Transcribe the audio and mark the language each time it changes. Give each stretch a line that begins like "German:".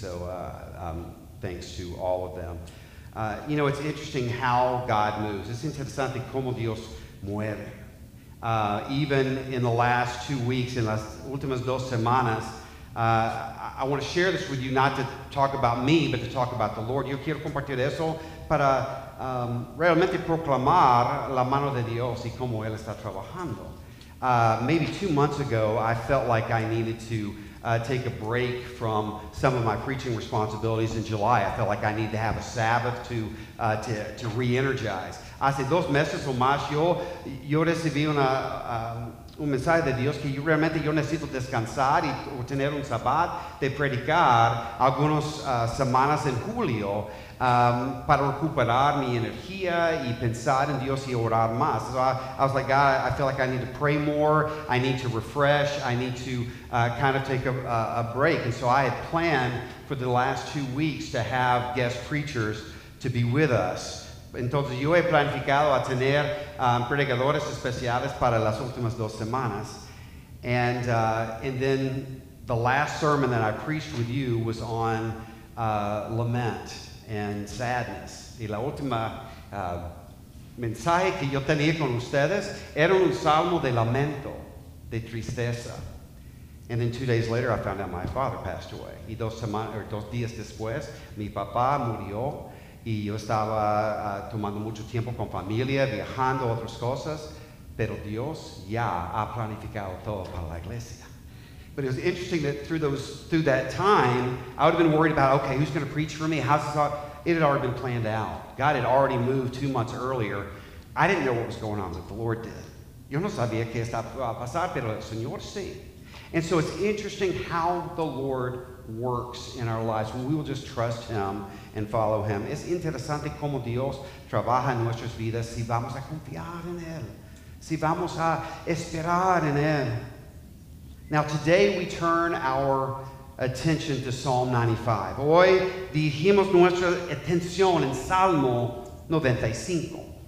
English: So thanks to all of them. You know, it's interesting how God moves.
Spanish: Es interesante cómo Dios mueve.
English: Even in the last 2 weeks, in
Spanish: las últimas dos semanas,
English: I want to share this with you, not to talk about me, but to talk about the Lord.
Spanish: Yo quiero compartir eso para realmente proclamar la mano de Dios y cómo Él está trabajando.
English: Maybe 2 months ago, I felt like I needed to take a break from some of my preaching responsibilities in July. I felt like I needed to have a Sabbath to re-energize.
Spanish: Hace dos meses o más, yo recibí un mensaje de Dios que yo realmente necesito descansar y tener un sabbat de predicar algunas semanas en julio para recuperar mi energía y pensar en Dios y orar más.
English: So I was like, God, I feel like I need to pray more. I need to refresh. I need to kind of take a break. And so I had planned for the last 2 weeks to have guest preachers to be with us.
Spanish: Entonces, yo he planificado a tener predicadores especiales para las últimas dos semanas.
English: And then the last sermon that I preached with you was on lament and sadness.
Spanish: Y la última mensaje que yo tenía con ustedes era un salmo de lamento, de tristeza.
English: And then 2 days later, I found out my father passed away.
Spanish: Y dos días después, mi papá murió. Y yo estaba tomando mucho tiempo con familia, viajando, otras cosas. Pero Dios ya ha planificado todo para la iglesia.
English: But it was interesting that through that time, I would have been worried about, okay, who's going to preach for me? How's this all? It had already been planned out. God had already moved 2 months earlier. I didn't know what was going on, but the Lord did.
Spanish: Yo no sabía qué estaba pasando, pero el Señor sí.
English: And so it's interesting how the Lord works in our lives when we will just trust Him and follow Him.
Spanish: Es interesante cómo Dios trabaja en nuestras vidas si vamos a confiar en Él, si vamos a esperar en Él.
English: Now today we turn our attention to Psalm 95.
Spanish: Hoy dirigimos nuestra atención en Salmo 95.